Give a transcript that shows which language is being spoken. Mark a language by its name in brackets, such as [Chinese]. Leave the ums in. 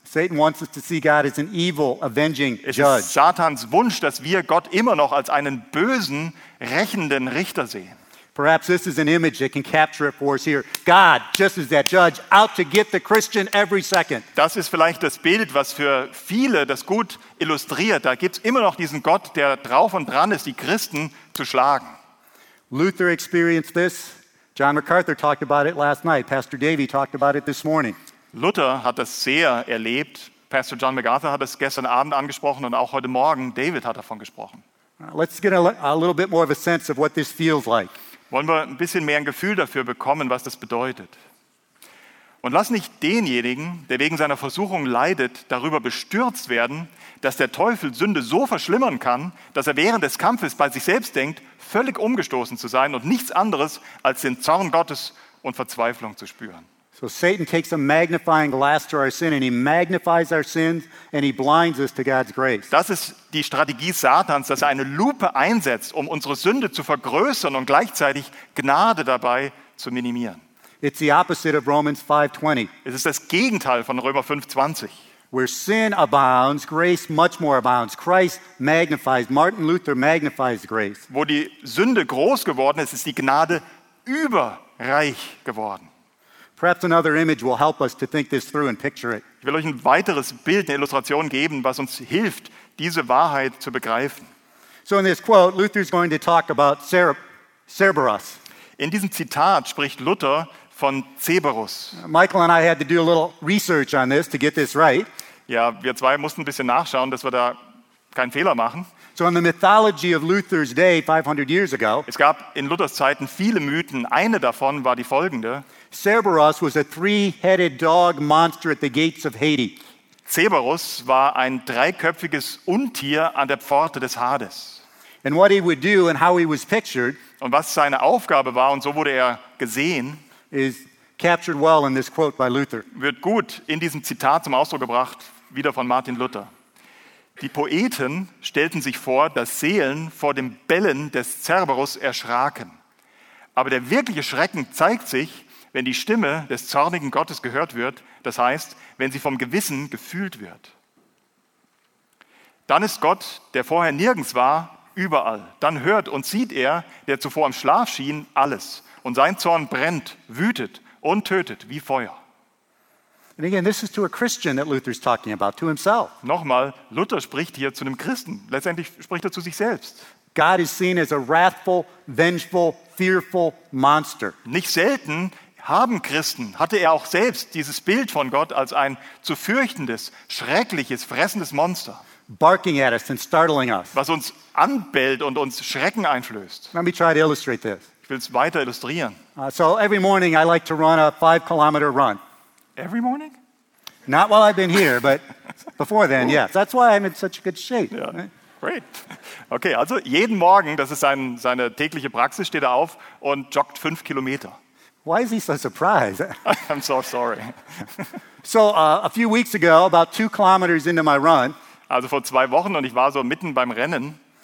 [English] Satan wants us to see God as an evil, avenging judge. [German] Es ist Satans Wunsch, dass wir Gott immer noch als einen bösen, rächenden Richter sehen. [English] Perhaps this is an image that can capture it for us here. God, just as that judge, out to get the Christian every second. [German] Das ist vielleicht das Bild, was für viele das gut illustriert. Da gibt es immer noch diesen Gott, der drauf und dran ist, die Christen zu schlagen. [English] Luther experienced this. John MacArthur talked about it last night. Pastor Davey talked about it this morning. [German] Luther hat das sehr erlebt. Pastor John MacArthur hat es gestern Abend angesprochen und auch heute Morgen David hat davon gesprochen. [English] Let's get a little bit more of a sense of what this feels like. [German] wollen wir ein bisschen mehr ein Gefühl dafür bekommen, was das bedeutet. Und lass nicht denjenigen, der wegen seiner Versuchung leidet, darüber bestürzt werden, dass der Teufel Sünde so verschlimmern kann, dass er während des Kampfes bei sich selbst denkt, völlig umgestoßen zu sein und nichts anderes als den Zorn Gottes und Verzweiflung zu spüren. [English] So Satan takes a magnifying glass to our sin and he magnifies our sins and he blinds us to God's grace. [German] Das ist die Strategie Satans, dass er eine Lupe einsetzt, um unsere Sünde zu vergrößern und gleichzeitig Gnade dabei zu minimieren. [English] It's the opposite of Romans 5:20. [German] Es ist das Gegenteil von Römer 5:20. [English] Where sin abounds, grace much more abounds. Christ magnifies, Martin Luther magnifies grace. [German] Wo die Sünde groß geworden ist, ist die Gnade überreich geworden. Will ich will euch ein weiteres Bild, eine Illustration geben, was uns hilft, diese Wahrheit zu begreifen. [English] So in, this quote, going to talk about Cerberus. [German] in diesem Zitat spricht Luther von Cerberus. [English] Michael and I had to do a little research on this to get this right. [German] Ja, wir zwei mussten ein bisschen nachschauen, dass wir da keinen Fehler machen. [English] So in the mythology of Luther's day 500 years ago, [German] es gab in Luthers Zeiten viele Mythen. Eine davon war die folgende. [English] Cerberus was a three-headed dog monster at the gates of Hades. [German] Cerberus war ein dreiköpfiges Untier an der Pforte des Hades. And what he would do and how he was pictured, und was seine Aufgabe war und so wurde er gesehen, is captured well in this quote by Luther. Wird gut in diesem Zitat zum Ausdruck gebracht, wieder von Martin Luther. Die Poeten stellten sich vor, dass Seelen vor dem Bellen des Cerberus erschraken. Aber der wirkliche Schrecken zeigt sich, wenn die Stimme des zornigen Gottes gehört wird, das heißt, wenn sie vom Gewissen gefühlt wird. Dann ist Gott, der vorher nirgends war, überall. Dann hört und sieht er, der zuvor im Schlaf schien, alles. Und sein Zorn brennt, wütet und tötet wie Feuer. [English] And again, this is to a Christian that Luther is talking about to himself. [German] Nochmal, Luther spricht hier zu einem Christen. Letztendlich spricht er zu sich selbst. [English] God is seen as a wrathful, vengeful, fearful monster. [German] Nicht selten haben Christen, hatte er auch selbst dieses Bild von Gott als ein zu fürchtendes, schreckliches, fressendes Monster. [English] Barking at us and startling us. [German] Was uns anbellt und uns Schrecken einflößt. [English] Let me try to illustrate this. [German] Ich will es weiter illustrieren. [English] Uh, so every morning I like to run a five kilometer run. Every morning? Not while I've been here, but before then, Ooh. yes. That's why I'm in such good shape. Yeah. Right? Great. [German] Okay, also jeden Morgen, das ist seine tägliche Praxis, steht er auf und joggt fünf Kilometer. [English] Why is he so surprised? I'm so sorry. so uh, a few weeks ago, about two kilometers into my run. Also [German] vor zwei Wochen und ich war so mitten beim Rennen.